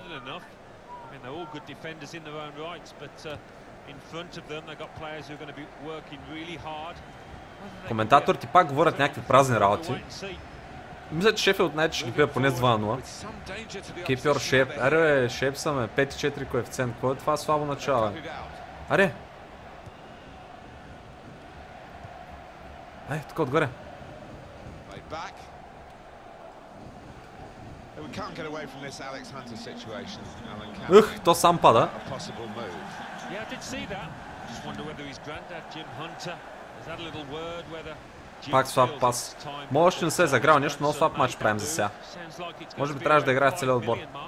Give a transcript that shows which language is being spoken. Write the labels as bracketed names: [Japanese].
[English] I mean, they're all good defenders in their own rights, but in front of them they've got players who are going to be working really hard. [Bulgarian] Коментаторите пак говорят някакви празни работи. Мисля, че Шеффилд Юнайтед ще ги бие поне с 2-0. KPR Шеп, аре, Шеп саме, 5-4 коефициент, кой е това слабо начало? Аре! Ай, тук отгоре. [English] We can't get away from this Alex Hunter situation. Alan. [Bulgarian] Ух, то сам пада. [English] Yeah, I did see that. Just wonder whether his granddad Jim Hunter has had a little word whether. [Bulgarian] Пак слаб пас. Може не се е заграл нещо, но слаб матч правим за сега. Може би трябваше да играе целия отбор.